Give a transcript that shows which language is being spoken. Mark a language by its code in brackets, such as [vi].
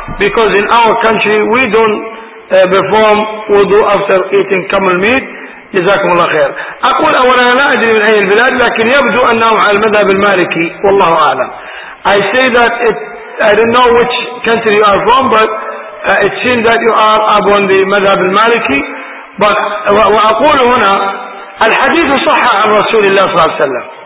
[en] Because in our country we don't perform wudu after eating camel meat. [ar] جزاكم الله خير. أقول أولا لا أدري من أي البلاد، لكن يبدو أنه على المذهب المالكي، والله أعلم. [en] I say that I don't know which country you are from, but it seems that you are upon the مذهب المالكي. [ar] But وأقول هنا الحديث صح عن رسول الله صلى الله عليه وسلم.